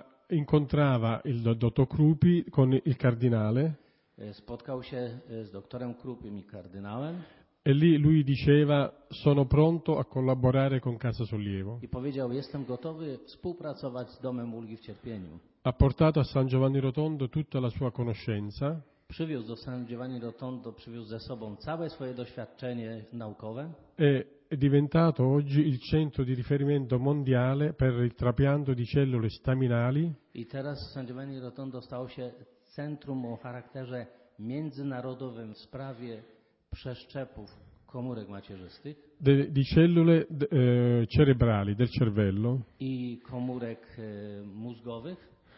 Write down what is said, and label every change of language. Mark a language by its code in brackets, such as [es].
[it] Incontrava il dottor Krupi con il cardinale. [pl] Spotkał się z doktorem Krupim i kardynałem. [it] E lì lui diceva: sono pronto a collaborare con Casa Sollievo. [pl] I powiedział: jestem gotowy współpracować z Domem Ulgi w Cierpieniu. [it] Ha portato a San Giovanni Rotondo tutta la sua conoscenza. [pl] Przywiózł do San Giovanni Rotondo, przywiózł ze sobą całe swoje doświadczenie naukowe. [it] E è diventato oggi il centro di riferimento mondiale per il trapianto di cellule staminali. [pl] I teraz San Giovanni Rotondo stało się centrum o charakterze międzynarodowym w sprawie przeszczepów komórek macierzystych. [it] Di cellule cerebrali, del cervello. [pl] I komórek mózgowych.